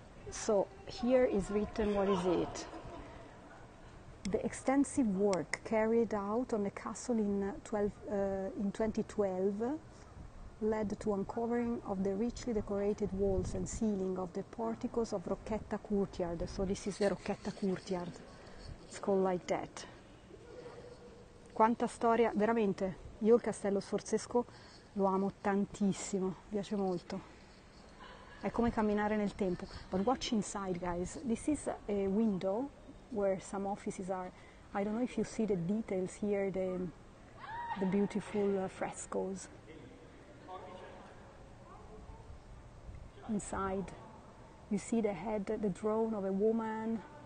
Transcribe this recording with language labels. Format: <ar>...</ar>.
<en>So here is written, what is it? The extensive work carried out on the castle in 2012 led to uncovering of the richly decorated walls and ceiling of the porticos of Rocchetta Courtyard. So this is the Rocchetta Courtyard. It's called like that.</en> <it>Quanta storia, veramente. Io il castello sforzesco lo amo tantissimo, mi piace molto. È come camminare nel tempo.</it> <en>But watch inside, guys. This is a window where some offices are. I don't know if you see the details here, the beautiful frescoes. Inside, you see the head, the drone of a woman.</en>